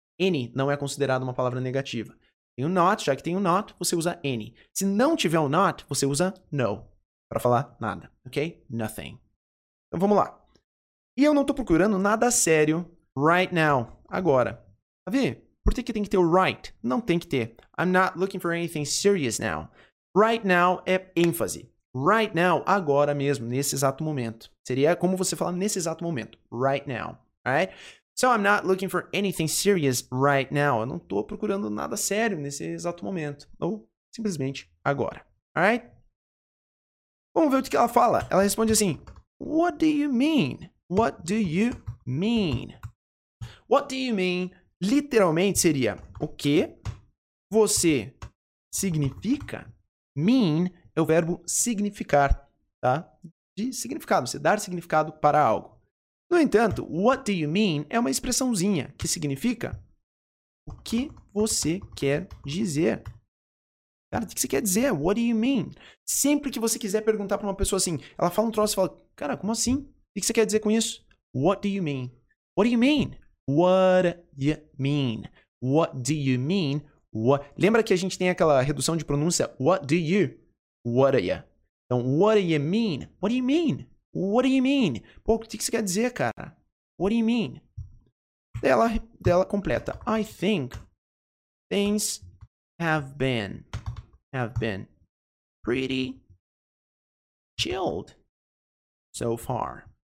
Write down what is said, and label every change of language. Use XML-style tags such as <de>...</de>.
<pt>Any não é considerado uma palavra negativa. Tem o not, já que tem o not, você usa any. Se não tiver o not, você usa no. Para falar nada, ok? Nothing. Então vamos lá. E eu não tô procurando nada sério</pt> <en>right now,</en> <pt>agora. Davi, por que que tem que ter o right? Não tem que ter.</pt> <en>I'm not looking for anything serious now. Right now</en> <pt>é ênfase. Right now, agora mesmo, nesse exato momento. Seria como você falar nesse exato momento.</pt> <en>Right now, right? So I'm not looking for anything serious right now.</en> <pt>Eu não tô procurando nada sério nesse exato momento. Ou simplesmente agora,</pt> <en>alright?</en> <pt>Vamos ver o que ela fala. Ela responde assim,</pt> <en>what do you mean? What do you mean? What do you mean?</en> <pt>Literalmente seria o que você significa? Mean é o verbo significar, tá? De significado, você dar significado para algo. No entanto,</pt> <en>what do you mean</en> <pt>é uma expressãozinha que significa o que você quer dizer. Cara, o que você quer dizer?</pt> <en>What do you mean?</en> <pt>Sempre que você quiser perguntar para uma pessoa assim, ela fala um troço e fala, cara, como assim? O que você quer dizer com isso?</pt> <en>What do you mean? What do you mean? What do you mean? What do you mean? What...</en> <pt>Lembra que a gente tem aquela redução de pronúncia?</pt> <en>What do you? What are you?</en> <pt>Então,</pt> <en>what do you mean? What do you mean? What do you mean?</en> <pt>Pô, o que você quer dizer, cara?</pt> <en>What do you mean?</en> <pt>Ela completa.</pt> <en>I think things have been pretty chilled so far.</en>